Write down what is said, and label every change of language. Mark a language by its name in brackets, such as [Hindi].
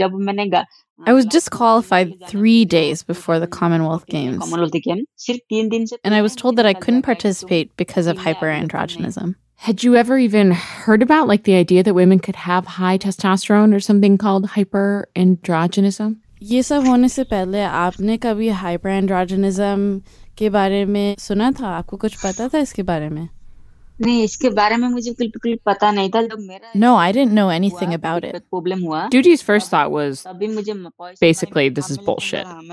[English] I was disqualified 3 days before the Commonwealth Games. And I was told that I couldn't participate because of hyperandrogenism. Had you ever even heard about, like, the idea that women could have high testosterone or something called hyperandrogenism? [Hindi] ये सब होने से पहले आपने कभी हाइपरएंड्रोजेनिज़्म के बारे में सुना था? आपको कुछ पता था इसके बारे में? [English] No, I didn't know anything about it. Dutee's first thought was, basically, this is bullshit.